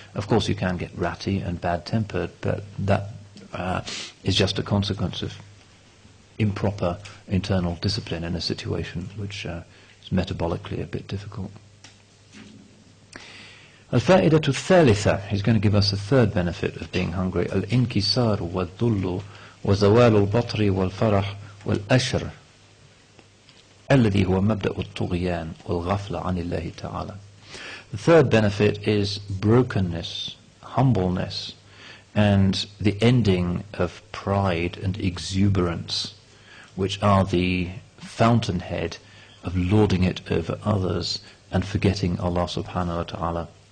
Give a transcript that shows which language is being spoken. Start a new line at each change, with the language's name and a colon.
English: Of course you can get ratty and bad-tempered, but that is just a consequence of improper internal discipline in a situation which is metabolically a bit difficult.
Arabic: Al-fa'ida al-thalitha,
English: he's going to give us a third benefit of being hungry.
Arabic: Al-inkisar wa-dullu wa-zawal al-batri wa-al-farah wa-al-ashr الذي هو مبدأ الطغيان والغفلة عن الله تعالى.
English: The third benefit is brokenness, humbleness, and the ending of pride and exuberance, which are the fountainhead of lording it over others and forgetting Allah subhanahu wa ta'ala.